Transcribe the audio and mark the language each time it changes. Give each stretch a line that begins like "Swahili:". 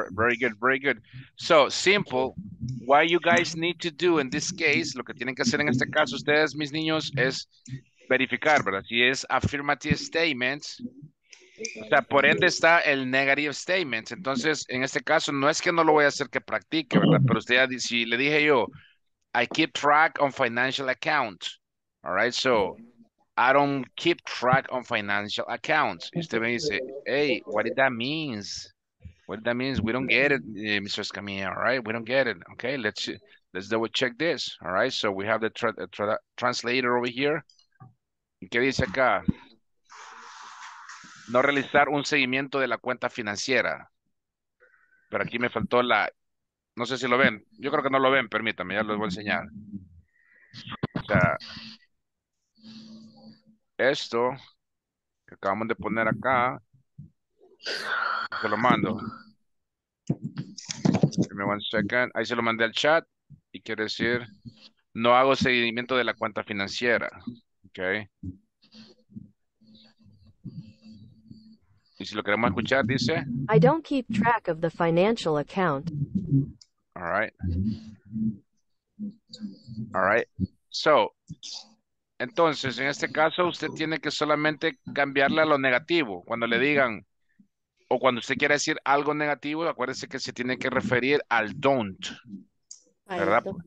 English: Very good, very good. So, simple, what you guys need to do in this case,
Spanish: lo que tienen que hacer en este caso ustedes, mis niños, es verificar, ¿verdad? Si es affirmative statements. O sea, por ende está el negative statements. Entonces, en este caso, no es que no lo voy a hacer que practique, ¿verdad? Pero usted ya, si le dije yo,
English: I keep track on financial accounts. All right, so I don't keep track on financial accounts.
Spanish: Y usted me dice,
English: hey, what did that mean? What did that mean? We don't get it, Mr. Escamilla, all right? We don't get it. Okay, let's double check this, all right? So we have the translator over here.
Spanish: ¿Qué dice acá? No realizar un seguimiento de la cuenta financiera. Pero aquí me faltó la... No sé si lo ven. Yo creo que no lo ven. Permítame, ya les voy a enseñar. O sea, esto que acabamos de poner acá, se lo mando.
English: Give me one second.
Spanish: Ahí se lo mandé al chat. Y quiere decir, no hago seguimiento de la cuenta financiera. Ok. Y si lo queremos escuchar, dice...
English: I don't keep track of the financial account. All right. All right.
Spanish: So, entonces, en este caso, usted tiene que solamente cambiarle a lo negativo. Cuando le digan, o cuando usted quiera decir algo negativo, acuérdese que se tiene que referir al don't. ¿Verdad?